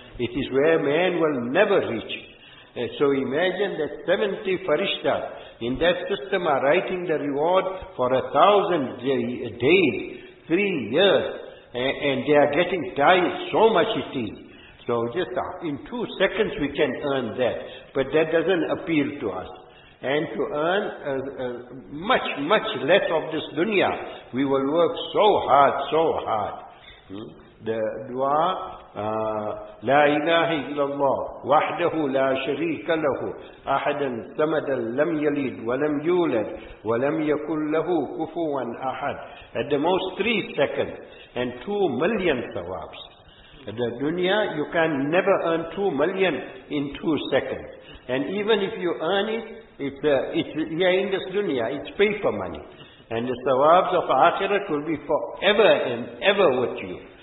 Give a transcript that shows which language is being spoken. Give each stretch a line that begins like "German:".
English: It is where man will never reach. So imagine that 70 farishtas in that system are writing the reward for 1,000 days, 3 years, and they are getting tired, so much it is. So just in 2 seconds we can earn that, but that doesn't appeal to us. And to earn much, much less of this dunya, we will work so hard, so hard. The dua,
Arabic: لا إله إلا الله وحده لا شريك له أحدا ثمدا لم يلد ولم يولد ولم يكن له كفوا أحد.
English: At the most 3 seconds and 2 million thawabs. The dunya, you can never earn 2 million in 2 seconds. And even if you earn it, it's in this dunya, it's paper money. And the thawabs of akhirat will be forever and ever with you.